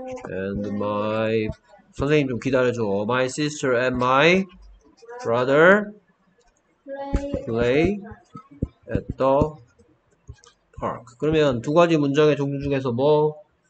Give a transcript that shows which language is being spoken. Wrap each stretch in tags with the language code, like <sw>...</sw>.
<en>And my</en> <ko>선생님 좀 기다려줘.</ko> <en>My sister and my brother play at the park.</en> <ko>그러면 두 가지 문장의 종류 중에서 뭐?</ko>